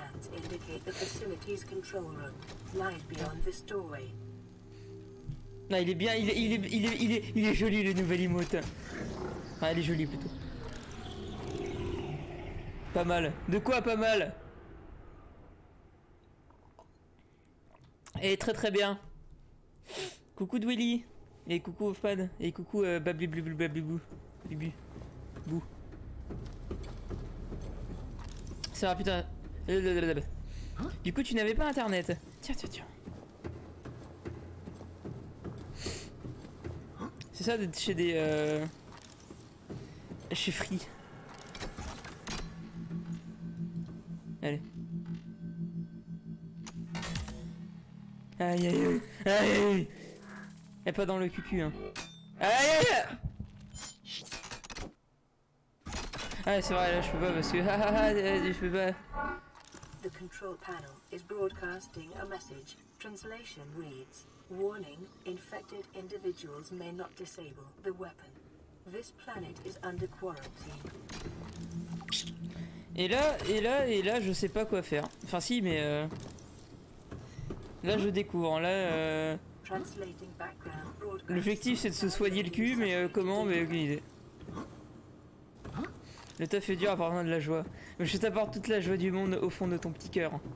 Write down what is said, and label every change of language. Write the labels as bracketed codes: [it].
[en] plans indicate the facility's control room lies beyond this doorway. [fr] Non, il est bien, il est joli le nouvel emote. Ah, elle est jolie plutôt. Pas mal. De quoi pas mal. Et très très bien. Coucou Dwilly. Et coucou Ofpad. Et coucou Babibou. Ça va putain. Du coup, tu n'avais pas internet. Tiens. C'est ça d'être chez des. Chez Free. Allez. Aïe. Et pas dans le cucu, hein. Aïe. Ah, c'est vrai, là, je peux pas parce que. Je peux pas. [en] The control panel is broadcasting a message. Translation reads: Warning, infected individuals may not disable the weapon. This planet is under quarantine. [fr] Et là, je sais pas quoi faire. Enfin, si, mais. Là, je découvre. Là, [en] Translating background broadcast. [fr] L'objectif, c'est de se soigner le cul, mais comment? Mais aucune idée. Le taf est dur, apportant de la joie. Je t'apporte toute la joie du monde au fond de ton petit cœur.